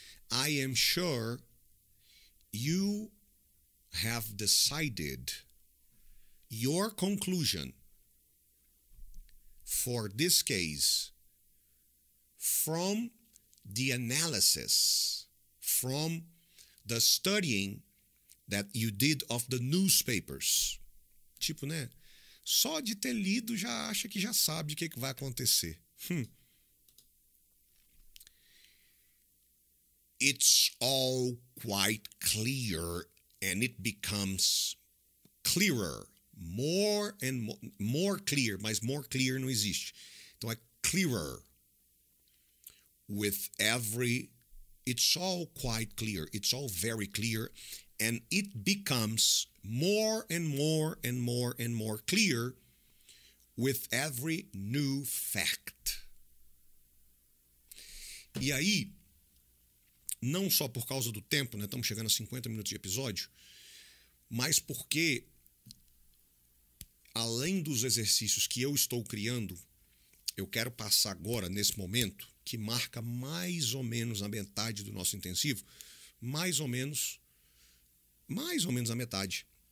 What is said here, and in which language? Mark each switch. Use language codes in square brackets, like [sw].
[en] I am sure you have decided your conclusion for this case from the analysis, from the studying that you did of the newspapers. [pt] Tipo, né? Só de ter lido, já acha que já sabe o que, que vai acontecer. [en] It's all quite clear, and it becomes clearer. More and more clear, mas more clear [pt] não existe. Então, é [en] clearer. With every... It's all quite clear. It's all very clear. And it becomes more and more and more and more clear with every new fact. [pt] E aí, não só por causa do tempo, né? Estamos chegando a 50 minutos de episódio, mas porque, além dos exercícios que eu estou criando, eu quero passar agora, nesse momento, que marca mais ou menos a metade do nosso intensivo, mais ou menos a metade.